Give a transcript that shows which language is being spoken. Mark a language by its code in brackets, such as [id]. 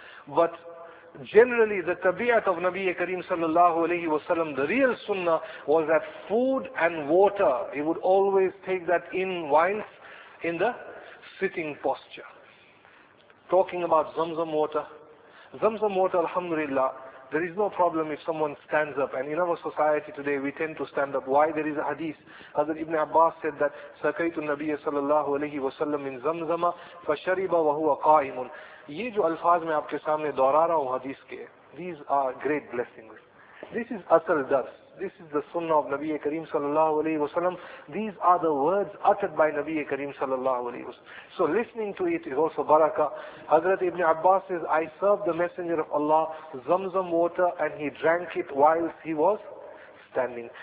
[en] But generally the tabi'at of Nabi Kareem sallallahu alayhi wa sallam, the real sunnah was that food and water, he would always take that in whilst in the sitting posture. Talking about Zamzam water, alhamdulillah, there is no problem if someone stands up. And in our society today, we tend to stand up. Why? There is a hadith. Hazrat Ibn Abbas said that, [ar] سَكَيْتُ النَّبِيَ صَلَى اللَّهُ عَلَيْهِ وَسَلَّمْ مِنْ زَمْزَمَ فَشَرِبَ وَهُوَ قَائِمٌ. [ur] یہ جو الفاظ میں آپ کے سامنے دورا رہا ہوں حدیث کے, [en] these are great blessings. This is asal dars. This is the sunnah of Nabi Kareem sallallahu alayhi wa sallam. These are the words uttered by Nabi Kareem sallallahu alayhi wa sallam. So listening to it is also barakah. Hazrat Ibn Abbas says, I served the Messenger of Allah Zamzam water and he drank it whilst he was standing.